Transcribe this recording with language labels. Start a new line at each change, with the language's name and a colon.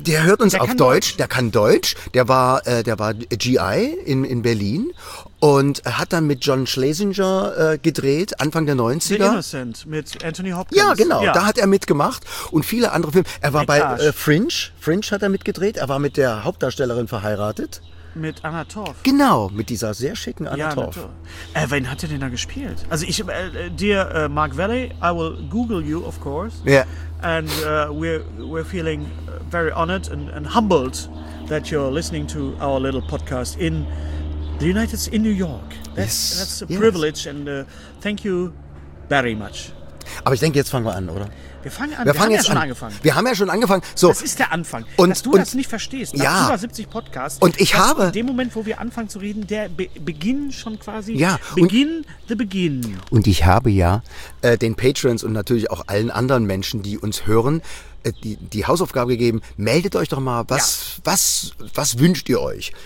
German: Der hört uns auf Deutsch. Der kann Deutsch. Der war GI in Berlin und hat dann mit John Schlesinger gedreht, Anfang der 90er. The Innocent mit Anthony Hopkins. Ja, genau. Ja. Da hat er mitgemacht und viele andere Filme. Er war bei Fringe. Fringe hat er mitgedreht. Er war mit der Hauptdarstellerin verheiratet. Mit Anna Torf. Genau, mit dieser sehr schicken Anna Torf. Wen hat er denn da gespielt? Also ich,
English: Mark Valley, I will Google you, of course. Ja. Yeah. And we're feeling very honored and humbled that you're listening to our little podcast in the United States, in New York. That's a privilege and thank you very much.
German: Aber ich denke, jetzt fangen wir an, oder? Wir fangen an. Wir haben ja schon angefangen. Wir haben ja schon angefangen. So. Das ist der Anfang. Und, Dass du das nicht verstehst, nach ja. über 70 Podcasts. Und ich habe... In dem Moment, wo wir anfangen zu reden, der Beginn schon quasi... Ja.
English: Begin the Begin.
German: Und ich habe ja den Patrons und natürlich auch allen anderen Menschen, die uns hören, die Hausaufgabe gegeben, meldet euch doch mal, was wünscht ihr euch?